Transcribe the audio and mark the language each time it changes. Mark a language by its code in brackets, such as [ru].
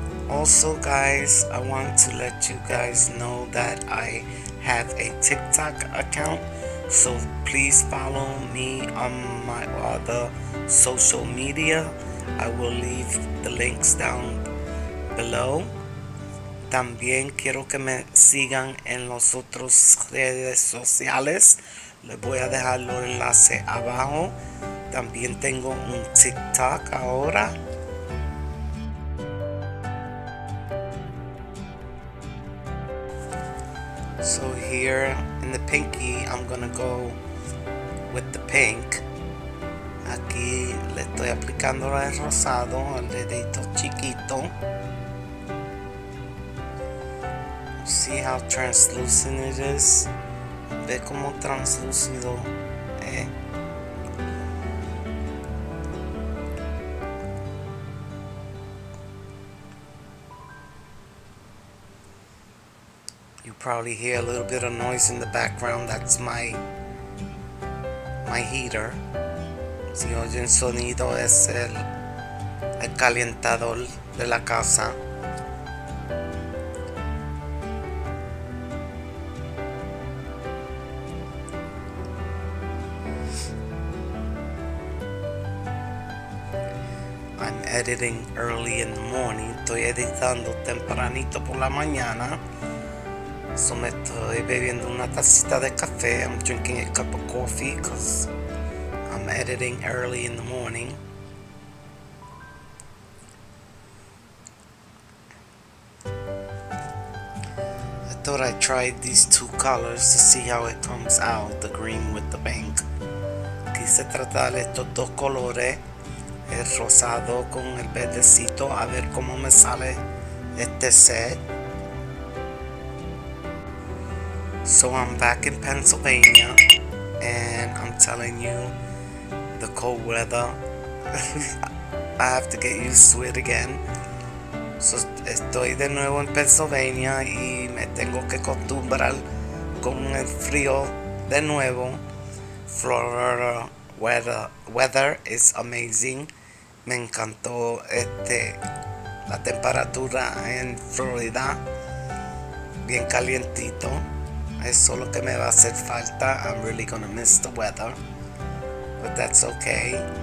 [en] Also guys, I want to let you guys know that I have a TikTok account, so please follow me on my other social media. I will leave the links down below. [es] También quiero que me sigan en las otras redes sociales. Les voy a dejar los enlaces abajo. También tengo un TikTok ahora. [en] So here in the pinky, I'm gonna go with the pink. [es] Aquí le estoy aplicando el rosado, el dedito chiquito. [en] See how translucent it is? [es] Ve como translúcido, eh? [en] Probably hear a little bit of noise in the background. That's my heater. [es] Si oyen sonido es el calentador de la casa. [en] I'm editing early in the morning. [es] Estoy editando tempranito por la mañana. So me estoy bebiendo una tacita de café. [en] I'm drinking a cup of coffee because I'm editing early in the morning. I thought I'd try these two colors to see how it comes out, the green with the pink. [es] Quise tratar estos dos colores, el rosado con el verdecito, a ver cómo me sale este set. [en] So I'm back in Pennsylvania, and I'm telling you, the cold weather, I have to get used to it again. [es] So estoy de nuevo en Pennsylvania y me tengo que acostumbrar con el frío de nuevo. [en] Florida weather is amazing. [es] Me encantó la temperatura en Florida, bien calientito. Eso lo que me va a hacer falta. [en] I'm really gonna miss the weather, but that's okay.